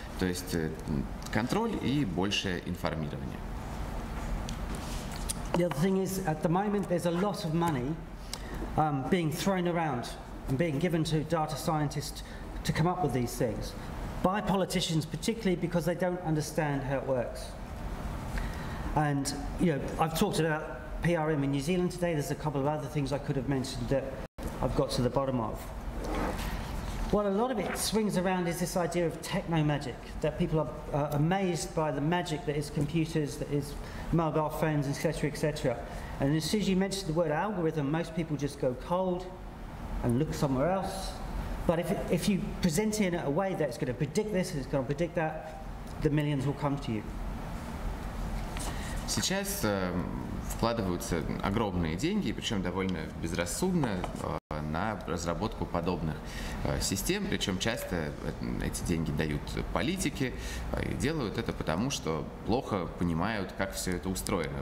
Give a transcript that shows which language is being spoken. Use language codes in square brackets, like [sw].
[ru] То есть контроль и больше информирования. [en] The other thing is, at the moment, there's a lot of money being thrown around and being given to data scientists to come up with these things by politicians, particularly because they don't understand how it works. And, you know, I've talked about PRM in New Zealand today. There's a couple of other things I could have mentioned that I've got to the bottom of. What a lot of it swings around is this idea of techno magic, that people are amazed by the magic that is computers, that is mobile phones, etc., etc. And as soon as you mention the word algorithm, most people just go cold and look somewhere else. But if you present it in a way that's going to predict this, it's going to predict that, the millions will come to you. [ru] Сейчас вкладываются огромные деньги, причем довольно безрассудно, на разработку подобных систем. Причем часто эти деньги дают политики и делают это потому, что плохо понимают, как все это устроено.